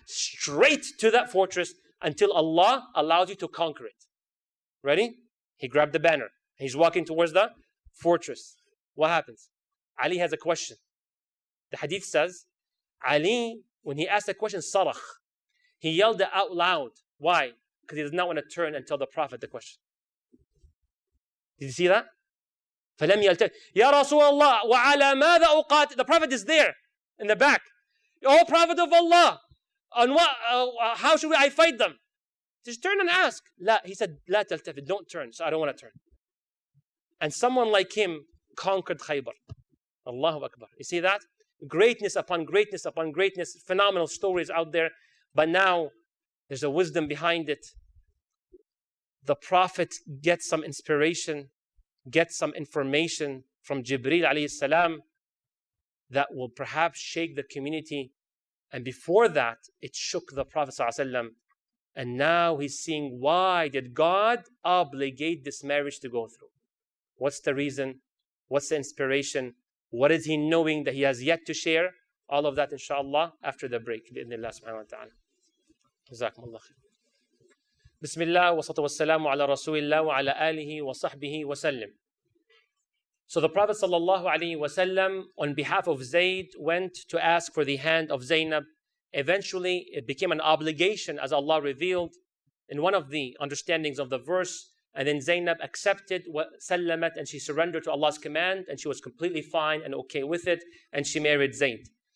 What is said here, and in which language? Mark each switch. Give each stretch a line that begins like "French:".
English: Straight to that fortress until Allah allows you to conquer it. Ready? He grabbed the banner. He's walking towards the fortress. What happens? Ali has a question. The hadith says, Ali, when he asked the question, sarakh, he yelled it out loud. Why? Because he does not want to turn and tell the Prophet the question. Did you see that?
Arabic: فَلَمْ يَلْتَفِتْ يَا رَسُولَ اللَّهِ وَعَلَى مَاذَا أُقَاتِ
English: The Prophet is there in the back. Oh, Prophet of Allah, on what, how should I fight them? Just turn and ask. لَا, he said,
Arabic: لَا تَلْتَفِتْ,
English: don't turn. So I don't want to turn. And someone like him conquered Khaybar. Allahu Akbar. You see that? Greatness upon greatness upon greatness. Phenomenal stories out there. But now, there's a wisdom behind it. The Prophet gets some inspiration, gets some information from Jibreel alayhi salam that will perhaps shake the community. And before that, it shook the Prophet sallallahu alayhi wa sallam. And now he's seeing, why did God obligate this marriage to go through? What's the reason? What's the inspiration? What is he knowing that he has yet to share? All of that, inshallah, after the break.
Arabic: Bi-idhnillah subhanahu wa ta'ala. جزاكم الله خير. بسم الله والصلاة والسلام على رسول الله وعلى آله وصحبه وسلم.
English: So the Prophet صلى الله عليه وسلم, on behalf of Zayd, went to ask for the hand of Zaynab. Eventually, it became an obligation, as Allah revealed in one of the understandings of the verse. And then Zaynab accepted
Arabic: وسلمت,
English: and she surrendered to Allah's command, and she was completely fine and okay with it, and she married Zayd.